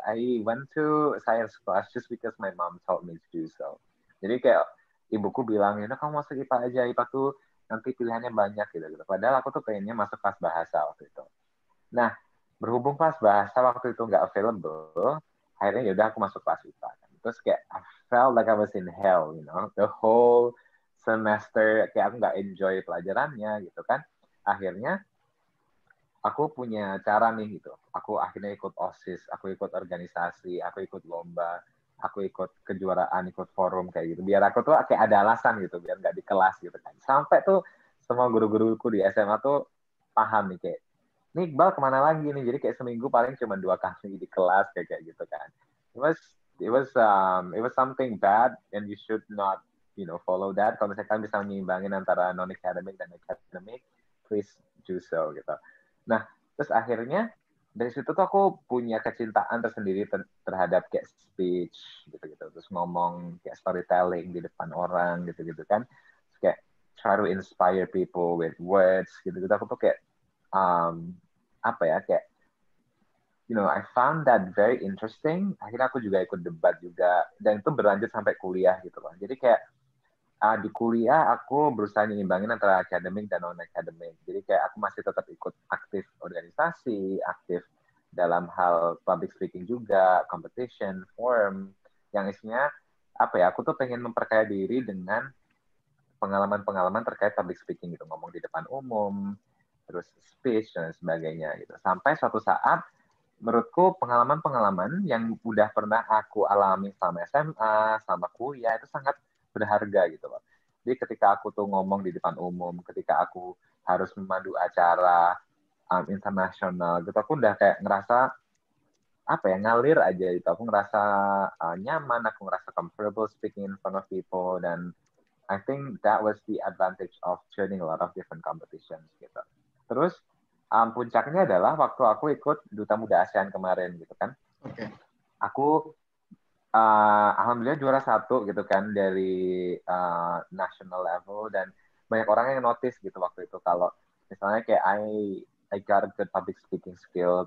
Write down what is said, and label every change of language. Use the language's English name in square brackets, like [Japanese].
[English] I went to science class just because my mom told me to do so. [Indonesian] Jadi kayak ibuku bilang, ya kamu masuk IPA aja, IPA tuh nanti pilihannya banyak gitu. Padahal aku tuh pengennya masuk kelas bahasa waktu itu. Nah, berhubung kelas bahasa waktu itu nggak available, akhirnya yaudah aku masuk kelas IPA. Kan. Terus kayak [English] I felt like I was in hell, you know. The whole semester, [Indonesian] kayak aku nggak enjoy pelajarannya gitu kan. akhirnya aku punya cara nih gitu. Aku akhirnya ikut OSIS, aku ikut organisasi, aku ikut lomba, aku ikut kejuaraan, ikut forum kayak gitu. Biar aku tuh kayak ada alasan gitu, biar nggak di kelas gitu kan. Sampai tuh semua guru-guruku di SMA tuh paham nih kayak, nih Iqbal kemana lagi nih? Jadi kayak seminggu paling cuma dua kali di kelas kayak gitu kan. [English] It was something bad and you should not, you know, follow that. [Indonesian] Kalau misalkan bisa menyeimbangin antara non-academic dan academic, [English] please do so [Indonesian] gitu. Nah, terus akhirnya dari situ tuh aku punya kecintaan tersendiri terhadap kayak speech gitu-gitu. Terus ngomong kayak storytelling di depan orang gitu-gitu kan. Terus kayak [English] try to inspire people with words [Indonesian] gitu-gitu. Aku tuh kayak, kayak, [English] you know, I found that very interesting. [Indonesian] Akhirnya aku juga ikut debat juga. Dan itu berlanjut sampai kuliah gitu loh. Jadi kayak, di kuliah aku berusaha menyeimbangkan antara akademik dan non-akademik. Jadi kayak aku masih tetap ikut aktif organisasi, aktif dalam hal public speaking juga, competition, forum, yang isinya, aku tuh pengen memperkaya diri dengan pengalaman-pengalaman terkait public speaking gitu, ngomong di depan umum, terus speech, dan sebagainya gitu. Sampai suatu saat, menurutku pengalaman-pengalaman yang udah pernah aku alami selama SMA, selama kuliah, itu sangat berharga gitu loh. Jadi ketika aku tuh ngomong di depan umum, ketika aku harus memandu acara internasional gitu, aku udah kayak ngerasa ngalir aja gitu. Aku ngerasa nyaman, aku ngerasa [English] comfortable speaking in front of people, [Indonesian] dan [English] I think that was the advantage of joining a lot of different competitions [Indonesian] gitu. Terus puncaknya adalah waktu aku ikut Duta Muda ASEAN kemarin gitu kan. [English] Okay. [Indonesian] Aku alhamdulillah juara satu gitu kan dari national level, dan banyak orang yang notice gitu waktu itu kalau misalnya kayak [English] I got a good public speaking skill.